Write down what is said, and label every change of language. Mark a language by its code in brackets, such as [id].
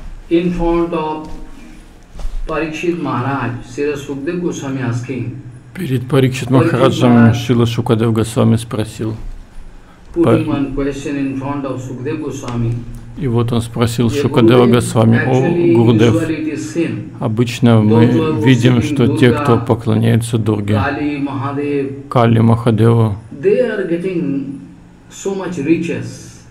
[en] In front of Parikshit Maharaj, Srila Sukadev Goswami asking. [ru] Перед Парикшит Махараджем Шрила Шукадев Госвами спросил. [en] Putting one question in front of Sukadev Goswami. [ru] И вот он спросил Шукадева Госвами: «О, Гурдев, обычно мы видим, что те, кто поклоняется Дурге, Кали Махадеву, [en] they are getting so much riches.